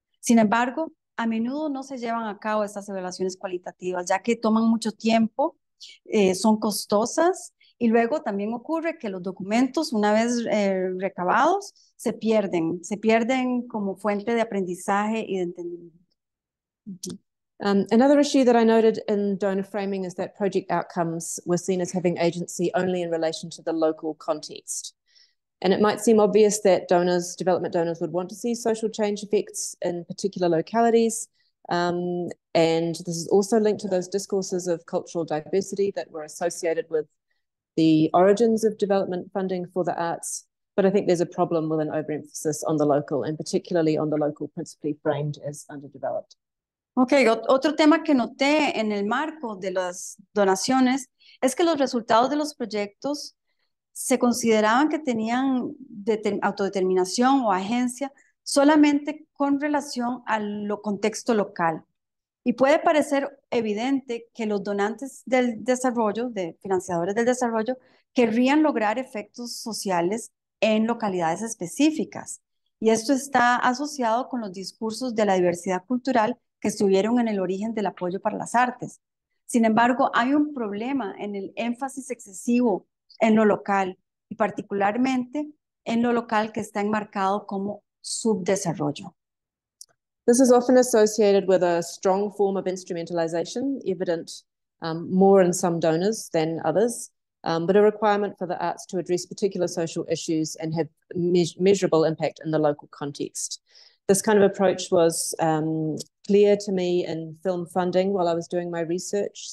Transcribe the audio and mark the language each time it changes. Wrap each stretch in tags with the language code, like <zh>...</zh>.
<es>Sin embargo, a menudo no se llevan a cabo estas evaluaciones cualitativas, ya que toman mucho tiempo, son costosas, y luego también ocurre que los documentos, una vez recabados, se pierden como fuente de aprendizaje y de entendimiento.</es> <en>Another issue that I noted in donor framing is that project outcomes were seen as having agency only in relation to the local context. And it might seem obvious that donors, development donors, would want to see social change effects in particular localities. And this is also linked to those discourses of cultural diversity that were associated with the origins of development funding for the arts. But I think there's a problem with an overemphasis on the local, and particularly on the local principally framed as underdeveloped.</en> <es>Ok, otro tema que noté en el marco de las donaciones es que los resultados de los proyectos se consideraban que tenían autodeterminación o agencia solamente con relación al contexto local. Y puede parecer evidente que los donantes del desarrollo, de financiadores del desarrollo, querrían lograr efectos sociales en localidades específicas. Y esto está asociado con los discursos de la diversidad cultural que estuvieron en el origen del apoyo para las artes. Sin embargo, hay un problema en el énfasis excesivo en lo local, y particularmente en lo local que está enmarcado como subdesarrollo.</es> <en>This is often associated with a strong form of instrumentalization, evident more in some donors than others, but a requirement for the arts to address particular social issues and have measurable impact in the local context. This kind of approach was clear to me in film funding while I was doing my research.</en>